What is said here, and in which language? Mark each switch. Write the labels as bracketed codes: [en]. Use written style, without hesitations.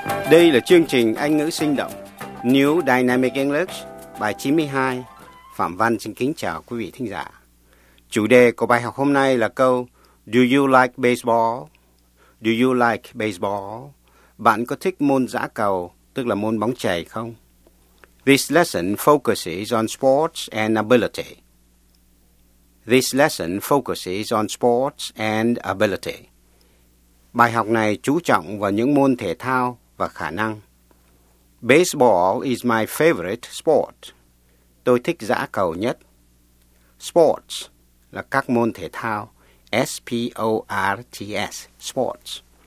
[vi] Đây là chương trình Anh ngữ sinh động New Dynamic English bài 92. Phạm Văn xin kính chào quý vị thính giả. Chủ đề của bài học hôm nay là câu [en] Do you like baseball? Do you like baseball? [vi] Bạn có thích môn giã cầu, tức là môn bóng chày không? [en] This lesson focuses on sports and ability. This lesson focuses on sports and ability. [vi] Bài học này chú trọng vào những môn thể thao và khả năng. [en] Baseball is my favorite sport. [vi] Tôi thích giã cầu nhất. Sports là các môn thể thao. S-P-O-R-T-S, sports.